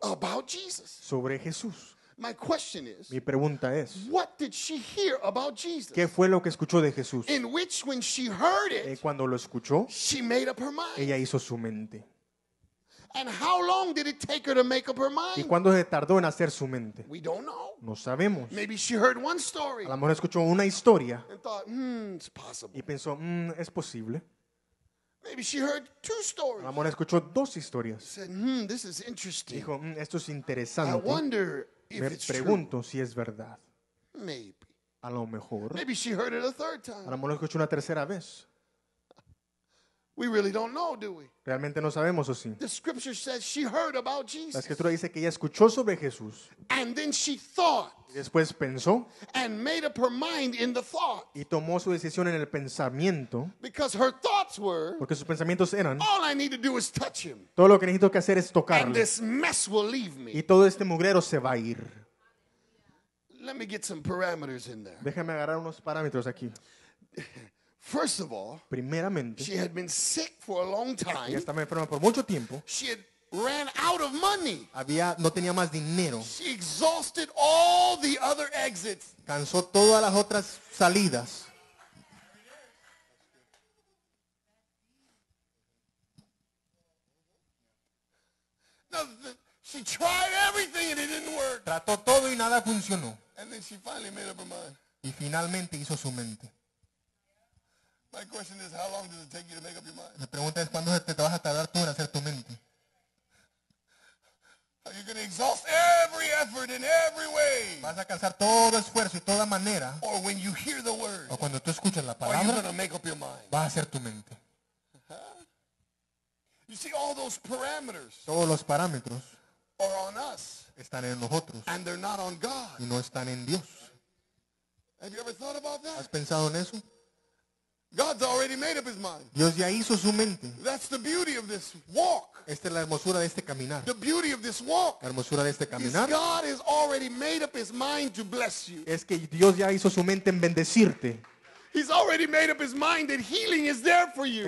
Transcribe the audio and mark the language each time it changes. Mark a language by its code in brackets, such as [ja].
[en] About Jesus. [es] Sobre Jesús. [en] My question is. [es] Mi pregunta es. [en] What did she hear about Jesus? [es] ¿Qué fue lo que escuchó de Jesús? [en] In which when she heard it. [es] Cuando lo escuchó. [en] She made up her mind. [es] Ella hizo su mente. [en] And how long did it take her to make up her mind? [es] ¿Y cuándo se tardó en hacer su mente? [en] We don't know. [es] No sabemos. [en] Maybe she heard one story. [es] A lo mejor escuchó una historia. [en] And thought, it's possible. [es] Y pensó, es posible. [en] Maybe she heard two stories. [es] A lo mejor escuchó dos historias. [en] Said, this is interesting. [es] Dijo, esto es interesante. [en] I wonder if [es] Me [en] it's [es] pregunto [en] true. [es] Si es verdad. [en] Maybe. [es] A lo mejor. [en] Maybe she heard it a third time. [es] A lo mejor escuchó una tercera vez. [en] We really don't know, do we? [es] Realmente no sabemos, ¿o sí? [en] The scripture says she heard about Jesus. [es] La escritura dice que ella escuchó sobre Jesús. [en] And then she thought. [es] Y después pensó. [en] And made up her mind in the thought. [es] Y tomó su decisión en el pensamiento. [en] Because her thoughts were. [es] Porque sus pensamientos eran. [en] All I need to do is touch him. [es] Todo lo que necesito que hacer es tocarle. [en] And this mess will leave me. [es] Y todo este mugrero se va a ir. [en] Let me get some parameters in there. [es] Déjame agarrar unos parámetros aquí. [en] First of all, [es] primeramente, [en] she had been sick for a long time. [es] Ella estaba enferma por mucho tiempo. [en] She had ran out of money. [es] Había, no tenía más dinero. [en] She exhausted all the other exits. [es] Cansó todas las otras salidas. [en] She tried everything and it didn't work. [es] Trató todo y nada funcionó. [en] And then she finally made up her mind. [es] Y finalmente hizo su mente. [en] My question is, how long does it take you to make up your mind? [es] La pregunta es, ¿cuándo te vas a tardar tú en hacer tu mente? [en] Are you going to exhaust every effort in every way? [es] ¿Vas a cansar todo esfuerzo y toda manera? [en] Or when you hear the word? [es] ¿O cuando tú escuchas la palabra? [en] Are you going to make up your mind? [es] ¿Vas a hacer tu mente? [en] You see, all those parameters. [es] Todos los parámetros. [en] Are on us. [es] Están en nosotros. [en] And they're not on God. [es] Y no están en Dios. [en] Have you ever thought about that? [es] ¿Has pensado en eso? [en] God's already made up his mind. [es] Dios ya hizo su mente. [en] That's the beauty of this walk. [es] Esta es la hermosura de este caminar. [en] The beauty of this walk. [es] La hermosura de este caminar. [en] Is God has already made up his mind to bless you. [es] Es que Dios ya hizo su mente en bendecirte. [en] He's already made up his mind that healing is there for you.